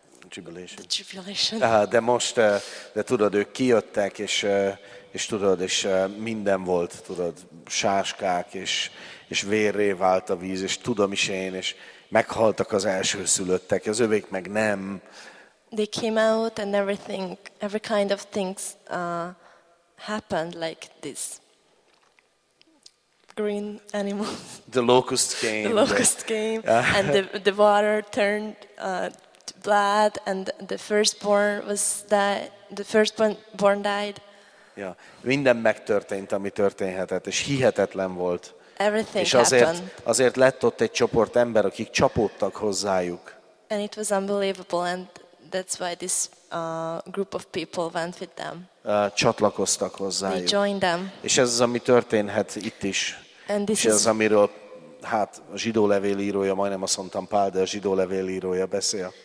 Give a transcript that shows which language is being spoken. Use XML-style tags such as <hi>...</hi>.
<en>tribulation. The tribulation.</en> <hu>De most, de tudod, ők kijöttek, és tudod, és minden volt, tudod, sáskák, és vérré vált a víz, és tudom is én, és meghaltak az elsőszülöttek, az övék meg nem.</hu> <en>They came out and everything, every kind of things happened like this. Green animals. The locusts came. The locusts came, and the water turned to blood, and the firstborn was died. The firstborn died.</en> <hu>Ja, minden megtörtént, ami történhetett, és hihetetlen volt.</hu> <en>Everything</en> <hu>és azért,</hu> <en>happened.</en> <hu>Azért lett ott egy csoport ember, akik csapódtak hozzájuk.</hu> <en>And it was unbelievable, and that's why this group of people went with them.</en> <hu>Csatlakoztak hozzájuk.</hu> <en>They joined them.</en> <hu>És ez az, ami történhet itt is.</hu> <en>And this</en> <hu>és ez az, amiről hát a zsidó levélírója, majdnem azt mondtam Pál, de a zsidó levélírója beszél.</hu>